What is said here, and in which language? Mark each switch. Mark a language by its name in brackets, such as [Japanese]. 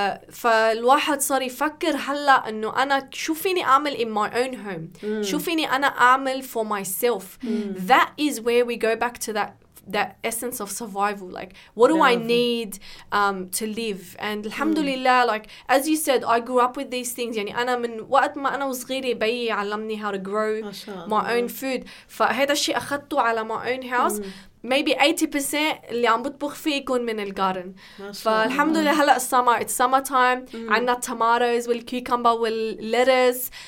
[Arabic] فالواحد صار يفكر هلا انه انا شو فيني اعمل [English] in my own home. [Arabic] شو فيني انا اعمل [English] for myself. That is where we go back to that essence of survival, like what do I need to live? And alhamdulillah, like as you said, I grew up with these things. [Arabic] يعني أنا من وقت ما أنا وصغيرة بيي علمني [English] how to grow my own food. [Arabic] فهذا الشيء أخذته على [English] my own house. [Arabic] Maybe 80% اللي عم بطبخ فيه يكون من الجارن. فالحمد لله هلا [English] summer, it's summertime. [Arabic] عنا tomatoes والcucumber واللettuce.